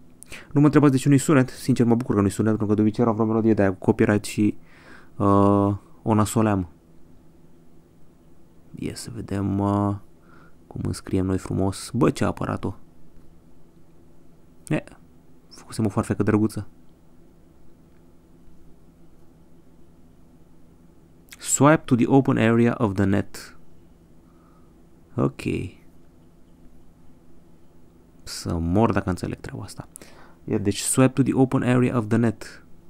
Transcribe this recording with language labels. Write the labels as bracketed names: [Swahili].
[Romanian] Nu mă întrebați de ce nu-i sunet. Sincer, mă bucur că nu-i sunet, pentru că de obicei era vreo melodie de aia cu copyright și o nasoleam. Ia să vedem cum înscriem noi frumos. Bă, ce a apărat-o? Făcusem o farfecă drăguță. [English] Swipe to the open area of the net. [Romanian] Ok. Să mor dacă înțeleg treaba asta. [English] Yeah, deci swipe to the open area of the net.